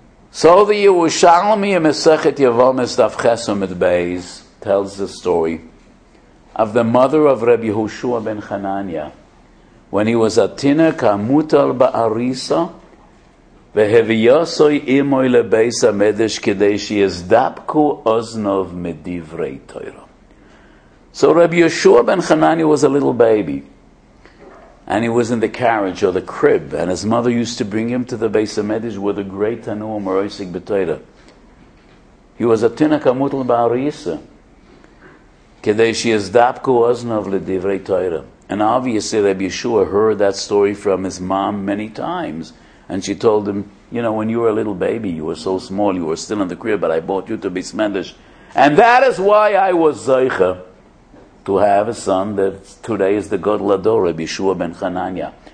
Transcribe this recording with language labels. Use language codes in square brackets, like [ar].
[en] So the Yerushalmi in Masechet Yevamos Daf Ches Amud Beis tells the story of the mother of Rabbi Yehoshua ben Chananya when he was a tinek hamutal ba'arisa. [he] והביוסוי אימוי לבייס המדש כדי שיזדבקו אוזנוב מדברי תוירו. [en] So Rabbi Yehoshua ben Chananya was a little baby, and he was in the carriage or the crib, and his mother used to bring him to the Beis HaMedesh with a great tanuah meroisik b'toira. He was a tinek hamutal ba'arisa. [he] כדי שיזדפקו אוזנוב לדברי תורה. [en] And obviously Rabbi Yeshua heard that story from his mom many times. And she told him, you know, when you were a little baby, you were so small, you were still in the crib, but I brought you to Beis Medrash. And that is why I was zeicha to have a son that today is the Godel Hador, Rabbi Yeshua ben Hananya.